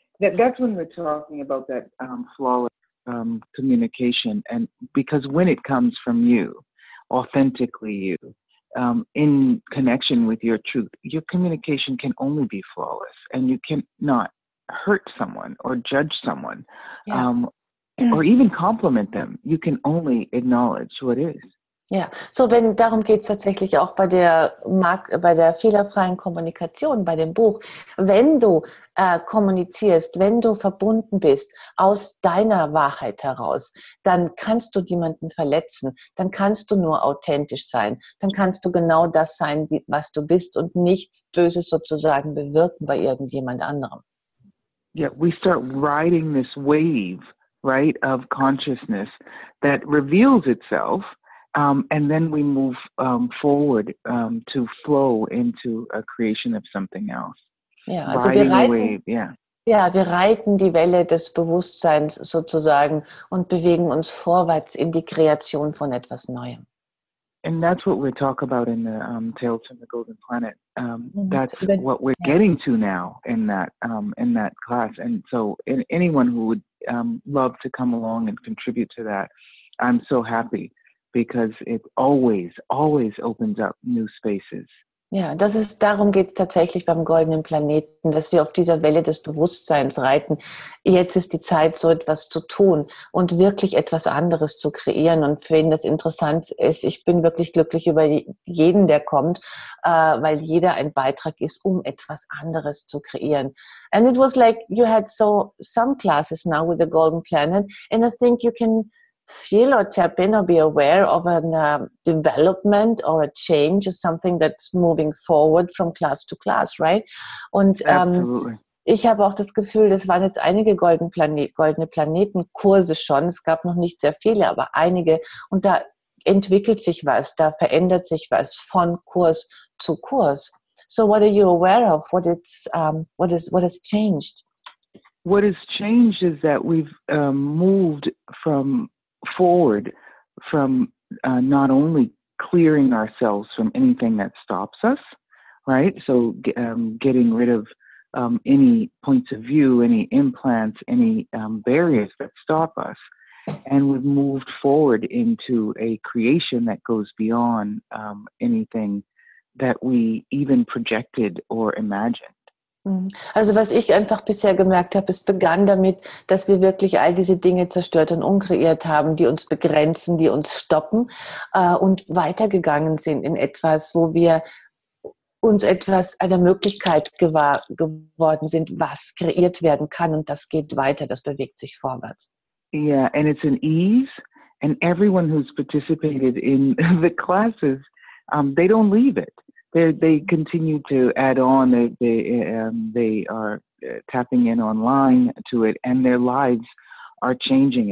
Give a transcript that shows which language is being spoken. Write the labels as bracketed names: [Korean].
[English] That's when we're talking about that flawless communication, and because when it comes from you, authentically you, in connection with your truth, your communication can only be flawless, and you cannot hurt someone or judge someone, or even compliment them. You can only acknowledge what is. [German] Ja, so wenn darum geht's tatsächlich auch bei der fehlerfreien Kommunikation, bei dem Buch. Wenn du kommunizierst, wenn du verbunden bist aus deiner Wahrheit heraus, dann kannst du jemanden verletzen, dann kannst du nur authentisch sein, dann kannst du genau das sein, was du bist und nichts Böses sozusagen bewirken bei irgendjemand anderem. [English] Yeah, we start riding this wave, right, of consciousness that reveals itself. And then we move forward to flow into a creation of something else. [German] Ja, also wir reiten die Welle des Bewusstseins sozusagen und bewegen uns vorwärts in die Kreation von etwas Neuem. [English] And that's what we talk about in the Tales from the Golden Planet. That's what we're getting to now in that class. And so anyone who would love to come along and contribute to that, I'm so happy. Because it always, always opens up new spaces. [German] Ja, das ist, darum geht es tatsächlich beim Goldenen Planeten, dass wir auf dieser Welle des Bewusstseins reiten. Jetzt ist die Zeit, so etwas zu tun und wirklich etwas anderes zu kreieren. Und für wen das interessant ist, ich bin wirklich glücklich über jeden, der kommt, weil jeder ein Beitrag ist, um etwas anderes zu kreieren. [English] And it was like you had so some classes now with the Golden Planet, and I think you can feel or tap in or be aware of a development or a change or something that's moving forward from class to class, right? [German] Und ich habe auch das Gefühl, es waren jetzt einige goldene Planetenkurse schon. Es gab noch nicht sehr viele, aber einige. Und da entwickelt sich was, da verändert sich was von Kurs zu Kurs. [English] So what are you aware of? What has changed? What has changed is that we've moved forward from not only clearing ourselves from anything that stops us, right? So getting rid of any points of view, any implants, any barriers that stop us. And we've moved forward into a creation that goes beyond anything that we even projected or imagined. [German] Also was ich einfach bisher gemerkt habe, es begann damit, dass wir wirklich all diese Dinge zerstört und unkreiert haben, die uns begrenzen, die uns stoppen und weitergegangen sind in etwas, wo wir uns etwas einer Möglichkeit gewahr geworden sind, was kreiert werden kann und das geht weiter, das bewegt sich vorwärts. [English] Yeah, and it's an ease, and everyone who's participated in the classes, they don't leave it. They continue to add on. They are tapping in online to it, and their lives are changing.